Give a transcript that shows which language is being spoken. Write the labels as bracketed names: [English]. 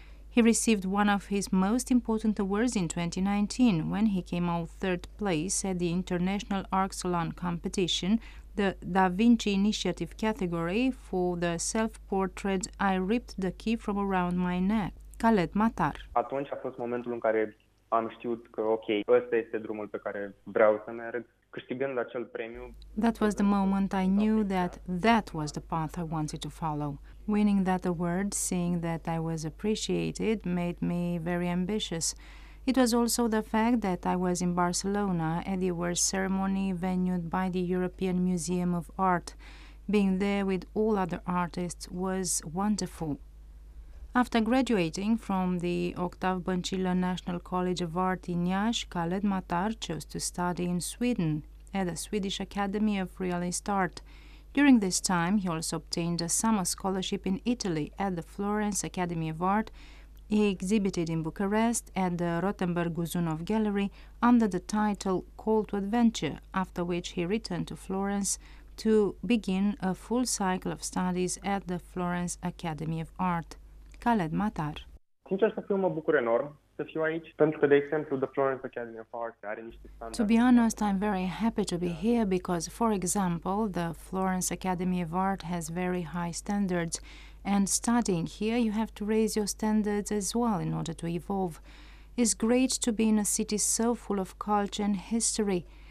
[English] He received one of his most important awards in 2019 when he came out third place at the International Art Salon competition, the Da Vinci Initiative category, for the self-portrait I Ripped the Key from Around My Neck. Khaled Matar. [Romanian] Atunci a fost momentul în care am știut că ok, ăsta este drumul pe care vreau să merg, câștigând acel premiu. [English] That was the moment I knew that that was the path I wanted to follow. Winning that award, seeing that I was appreciated, made me very ambitious. It was also the fact that I was in Barcelona at the awards ceremony venued by the European Museum of Art. Being there with all other artists was wonderful. After graduating from the Octave Bancilla National College of Art in Iași, Khaled Matar chose to study in Sweden at the Swedish Academy of Realist Art. During this time, he also obtained a summer scholarship in Italy at the Florence Academy of Art. He exhibited in Bucharest at the Rotenberg Uzunov Gallery under the title Call to Adventure, after which he returned to Florence to begin a full cycle of studies at the Florence Academy of Art. Khaled Matar. [Romanian] Sincer să fiu, mă bucur enorm să fiu aici, pentru că, de exemplu, the Florence Academy of Art are niște standarde. [English] To be honest, I'm very happy to be here because, for example, the Florence Academy of Art has very high standards. And studying here, you have to raise your standards as well in order to evolve. It's great to be in a city so full of culture and history.